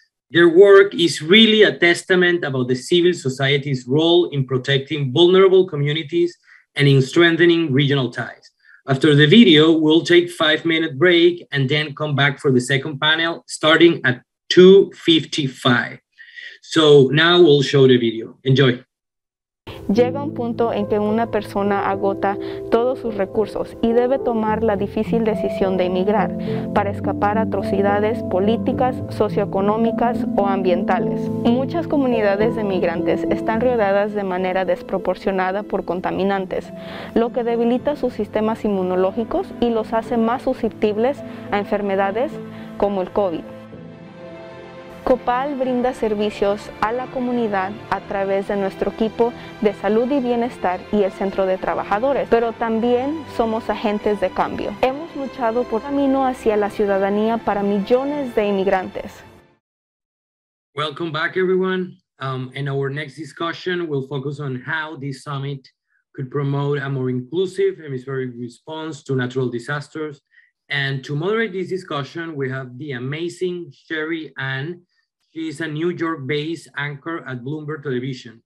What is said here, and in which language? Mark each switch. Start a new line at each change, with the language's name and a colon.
English: Their work is really a testament about the civil society's role in protecting vulnerable communities and in strengthening regional ties. After the video, we'll take 5-minute break and then come back for the second panel starting at 2:55. So now we'll show the video. Enjoy.
Spanish: Llega un punto en que una persona agota todos sus recursos y debe tomar la difícil decisión de emigrar para escapar atrocidades políticas, socioeconómicas o ambientales. Muchas comunidades de migrantes están rodeadas de manera desproporcionada por contaminantes, lo que debilita sus sistemas inmunológicos y los hace más susceptibles a enfermedades como el COVID. COPAL brinda servicios a la comunidad a través de nuestro equipo de salud y bienestar y el centro de trabajadores, pero también somos agentes de cambio. Hemos luchado por camino hacia la ciudadanía para millones de inmigrantes.
English: Welcome back, everyone. In our next discussion, we'll focus on how this summit could promote a more inclusive hemispheric response to natural disasters. And to moderate this discussion, we have the amazing Sherry Ann. She's a New York-based anchor at Bloomberg Television.